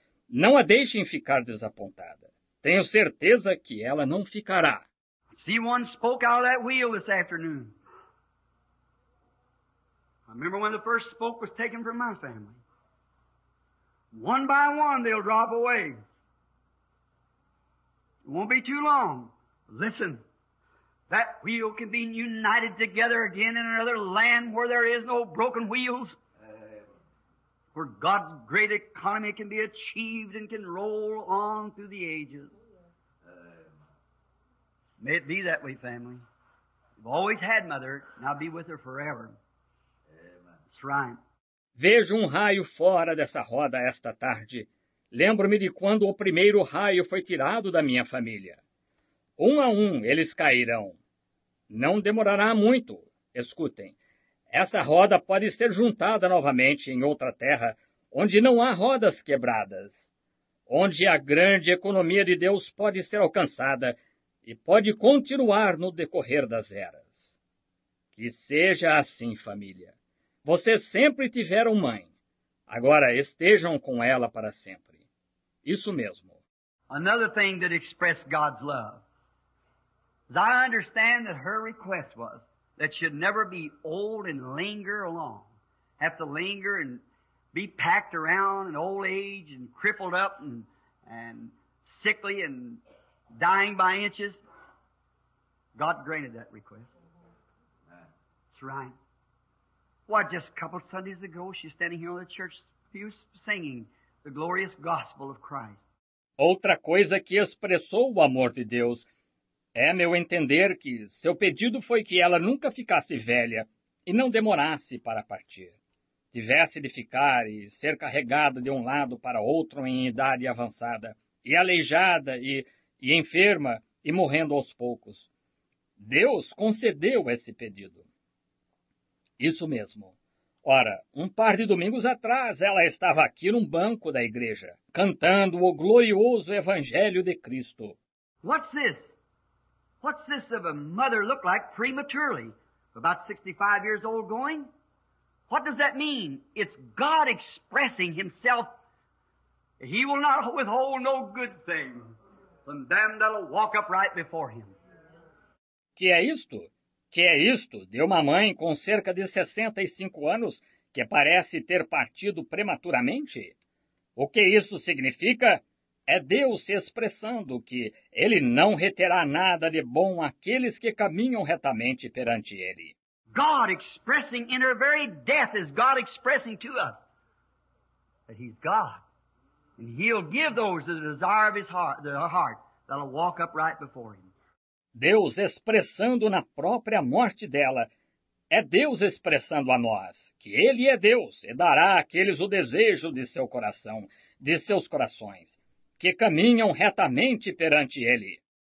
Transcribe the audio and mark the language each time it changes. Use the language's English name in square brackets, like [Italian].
[Portuguese] Não a deixem ficar desapontada. Tenho certeza que ela não ficará. [English] See, one spoke out of that wheel this afternoon. I remember when the first spoke was taken from my family. One by one, they'll drop away. It won't be too long. Listen, that wheel can be united together again in another land where there is no broken wheels. where God's great economy can be achieved and can roll on through the ages. May it be that way, family. We've always had Mother, and I'll be with her forever. That's right. [Portuguese] Vejo raio fora dessa roda esta tarde. Lembro-me de quando o primeiro raio foi tirado da minha família. Um a um eles cairão. Não demorará muito. Escutem. Essa roda pode ser juntada novamente em outra terra, onde não há rodas quebradas, onde a grande economia de Deus pode ser alcançada e pode continuar no decorrer das eras. Que seja assim, família. Vocês sempre tiveram mãe. Agora estejam com ela para sempre. Isso mesmo. [English] Another thing that expressed God's love. As I understand that her request was that she'd never be old and linger along. Have to linger and be packed around in old age and crippled up and sickly and dying by inches. God granted that request. That's right. Why, just a couple of Sundays ago, she's standing here on the church pew singing the glorious gospel of Christ. [Portuguese] Outra coisa que expressou o amor de Deus é meu entender que seu pedido foi que ela nunca ficasse velha e não demorasse para partir. Tivesse de ficar e ser carregada de um lado para outro em idade avançada, e aleijada e enferma e morrendo aos poucos. Deus concedeu esse pedido. Isso mesmo. Ora, um par de domingos atrás, ela estava aqui num banco da igreja, cantando o glorioso Evangelho de Cristo. [English] What's this? What's this of a mother look like prematurely, about 65 years old going? What does that mean? It's God expressing himself. He will not withhold no good thing from them that'll walk upright before him. [Portuguese] Que é isto? Que é isto de uma mãe com cerca de 65 anos que parece ter partido prematuramente? O que isso significa? É Deus se expressando que Ele não reterá nada de bom àqueles que caminham retamente perante Ele. [English] God expressing in her very death is God expressing to us that He's God. And He'll give those the desire of His heart, the heart that'll walk upright before Him. [Portuguese] Deus expressando na própria morte dela, é Deus expressando a nós que Ele é Deus e dará àqueles o desejo de seu coração, de seus corações, que caminham retamente perante Ele.